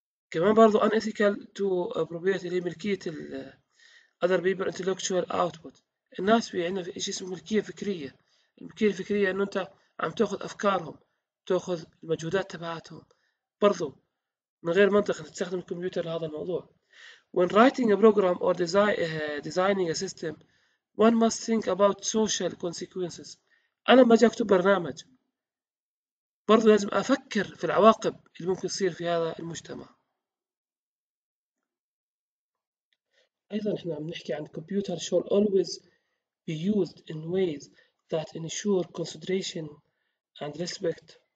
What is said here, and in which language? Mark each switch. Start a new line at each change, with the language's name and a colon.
Arabic: كمان برضو unethical to appropriate اللي هي ملكية ال other people intellectual output، الناس في عندنا في شيء اسمه ملكية فكرية. الملكية الفكرية إنه أنت عم تأخذ أفكارهم، تأخذ المجهودات تبعتهم، برضو من غير منطق نستخدم الكمبيوتر لهذا الموضوع.
English: When writing a program or designing a system, one must think about social consequences.
Arabic: أنا لما أجي أكتب برنامج برضو لازم أفكر في العواقب اللي ممكن تصير في هذا المجتمع.
English: أيضا إحنا عم نحكي عن computer shall always be used in ways that ensure consideration and respect